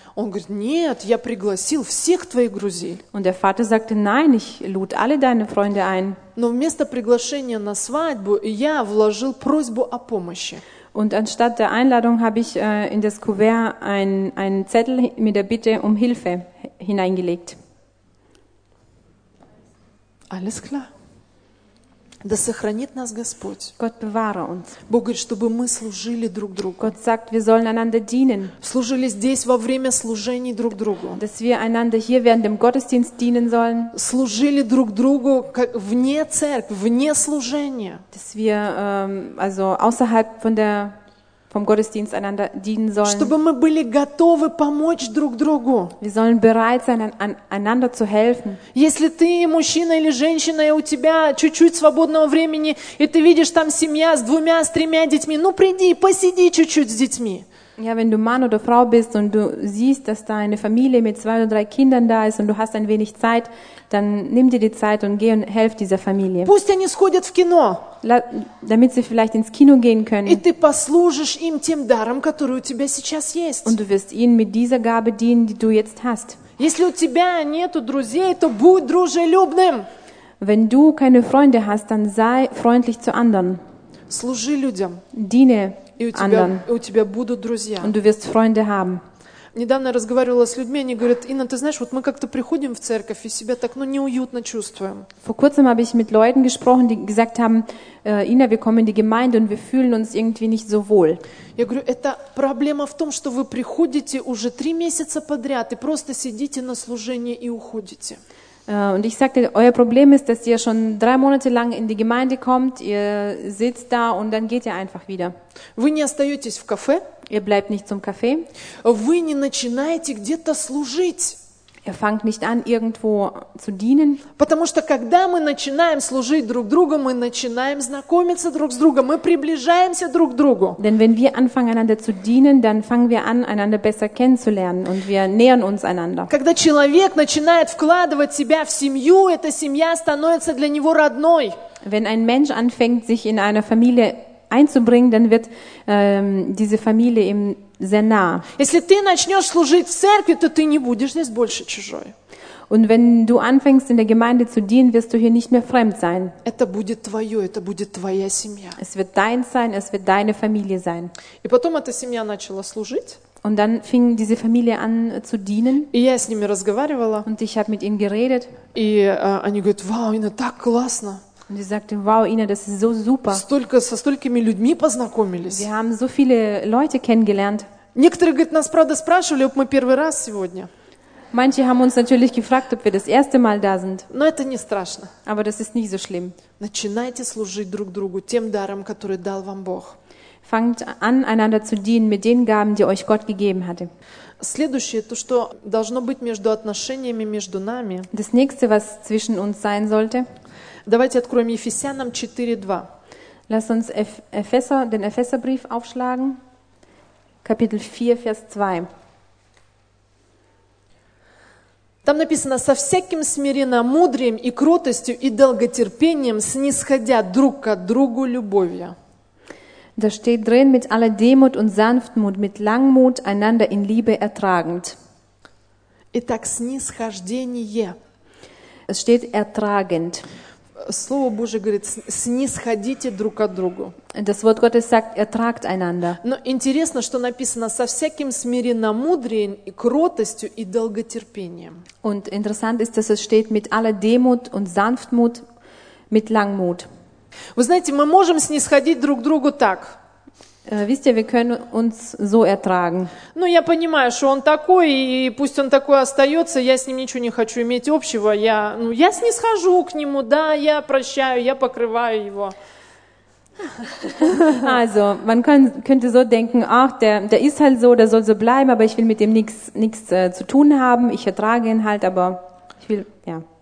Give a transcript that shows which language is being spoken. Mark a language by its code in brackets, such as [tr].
[ru] Он говорит, нет, я пригласил всех твоих друзей. [de] Und der Vater sagte, nein, ich lud alle deine Freunde ein. [ru] Но вместо приглашения на свадьбу я вложил просьбу о помощи. [de] Und anstatt der Einladung habe ich in das Kuvert einen Zettel mit der Bitte um Hilfe hineingelegt. Alles klar. [ru] Да сохранит нас Господь. [de] Gott bewahre uns. [ru] Бог говорит, чтобы мы служили друг другу. [de] Gott sagt, wir sollen einander dienen. [ru] Служили здесь во время служений друг другу. [de] Dass wir einander hier während dem Gottesdienst dienen sollen. [ru] Служили друг другу как вне церкви, вне служения. [de] Dass wir also außerhalb von der vom Gottesdienst einander dienen sollen. [ru] Чтобы мы были готовы помочь друг другу. [de] Wir sollen bereit sein, einander zu helfen. [ru] Если ты мужчина или женщина, и у тебя чуть-чуть свободного времени, и ты видишь там семья с двумя, с тремя детьми, ну приди, посиди чуть-чуть с детьми. [de] Ja, wenn du Mann oder Frau bist und du siehst, dass da eine Familie mit zwei oder drei Kindern da ist und du hast ein wenig Zeit, dann nimm dir die Zeit und geh und helf dieser Familie. [ru] Пусть они сходят в кино. [de] Damit sie vielleicht ins Kino gehen können. [ru] И ты послужишь им тем даром, который у тебя сейчас есть. [de] Und du wirst ihnen mit dieser Gabe dienen, die du jetzt hast. [ru] Если у тебя нету друзей, то будь дружелюбным. [de] Wenn du keine Freunde hast, dann sei freundlich zu anderen. [ru] Служи людям. [de] Diene. [ru] И у тебя, будут друзья. [de] Und du wirst Freunde haben. [ru] Недавно разговаривала с людьми, они говорят, Инна, ты знаешь, вот мы как-то приходим в церковь и себя так, ну, неуютно чувствуем. [de] Vor kurzem habe ich mit Leuten gesprochen, die gesagt haben, Инна, wir kommen in die Gemeinde und wir fühlen uns irgendwie nicht so wohl. [ru] Я говорю, это проблема в том, что вы приходите уже 3 месяца подряд и просто сидите на служении и уходите. [de] Und ich sagte, euer Problem ist, dass ihr schon 3 Monate lang in die Gemeinde kommt, ihr sitzt da und dann geht ihr einfach wieder. [ru] Вы не остаетесь в кафе. [de] Ihr bleibt nicht zum Café. [ru] Вы не начинаете где-то служить. [de] Ihr fangt nicht an, irgendwo zu dienen. [ru] Потому что когда мы начинаем служить друг другу, мы начинаем знакомиться друг с другом, мы приближаемся друг к другу. [de] Denn wenn wir anfangen, einander zu dienen, dann fangen wir an, einander besser kennenzulernen und wir nähern uns einander. [ru] Когда человек начинает вкладывать себя в семью, эта семья становится для него родной. [de] Wenn ein Mensch anfängt, sich in einer Familie einzubringen, dann wird diese Familie ihm sehr nah. [ru] Если ты начнешь служить в церкви, то ты не будешь здесь больше чужой. [de] Und wenn du anfängst in der Gemeinde zu dienen, wirst du hier nicht mehr fremd sein. [ru] Это будет твое, это будет твоя семья. [de] Es wird dein sein, es wird deine Familie sein. [ru] И потом эта семья начала служить. [de] Und dann fing diese Familie an zu dienen. [ru] И я с ними разговаривала. [de] Und ich habe mit ihnen geredet. [ru] И они говорят, вау, Инна, так классно. [de] Und sie sagte, wow, Ina, das ist so super. [ru] Столько, со столькими людьми познакомились. [de] Wir haben so viele Leute kennengelernt. [ru] Некоторые, говорит, нас, правда, спрашивали, [de] ob [ru] мы первый раз сегодня. [de] Manche haben uns natürlich gefragt, ob wir das erste Mal da sind. [ru] Но это не страшно. [de] Aber das ist nicht so schlimm. [ru] Начинайте служить друг другу тем даром, который дал вам Бог. [de] Fangt an, einander zu dienen mit den Gaben, die euch Gott gegeben hatte. [ru] Следующее, то, что должно быть между отношениями между нами. [de] Das nächste, was zwischen uns sein sollte. [ru] Давайте откроем Ефесянам 4:2. [de] Lass uns Epheser, den Epheserbrief aufschlagen. Kapitel 4, Vers 2. [ru] Там написано: со всяким смиренномудрием и кротостью и долготерпением снисходя друг к другу любовью. [de] Da steht drin, mit aller Demut und Sanftmut, mit Langmut einander in Liebe ertragend. [ru] Итак, снисхождение. [de] Es steht ertragend. [ru] Слово Божие говорит, снисходите друг от другу. [de] Das Wort Gottes sagt, ertragt einander. [ru] Но интересно, что написано, со всяким смиренномудрием, и кротостью и долготерпением. [de] Und interessant ist, dass es steht, mit aller Demut und Sanftmut, mit Langmut. [ru] Вы знаете, мы можем снисходить друг другу так. [de] Wisst ihr, wir können uns so ertragen. [ru] Ну, я понимаю, что он такой, и пусть он такой остается, я с ним ничего не хочу иметь общего, я снисхожу к нему, да, я прощаю, я покрываю его. [de] Also, man könnte so denken, ach, der ist halt so, der soll so bleiben, aber ich will mit ihm nichts zu tun haben, ich ertrage ihn halt, aber ich will, ja.